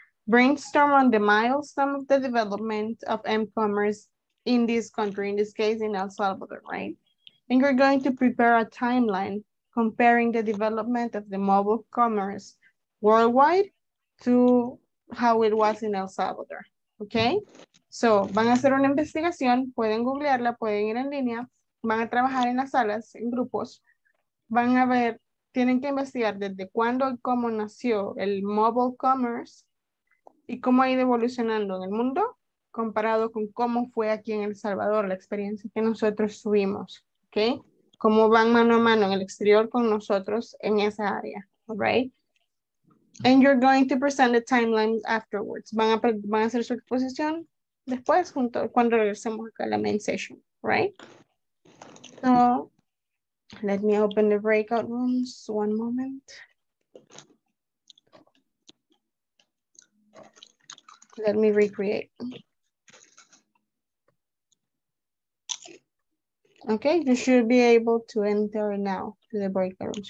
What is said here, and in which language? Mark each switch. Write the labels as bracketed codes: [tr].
[en] brainstorm on the milestone of the development of e-commerce in this country, in this case in El Salvador, right? And we're going to prepare a timeline comparing the development of the mobile commerce worldwide to how it was in El Salvador, okay? [es] So, van a hacer una investigación, pueden googlearla, pueden ir en línea, van a trabajar en las salas, en grupos, van a ver, tienen que investigar desde cuándo y cómo nació el mobile commerce y cómo ha ido evolucionando en el mundo comparado con cómo fue aquí en El Salvador, la experiencia que nosotros tuvimos, ¿ok? Cómo van mano a mano en el exterior con nosotros en esa área, ¿right? [en] And you're going to present the timeline afterwards. [es] Van a hacer su exposición después junto cuando regresemos acá a la main session, ¿right? [en] So, let me open the breakout rooms one moment. Let me recreate. Okay, you should be able to enter now to the breakout rooms.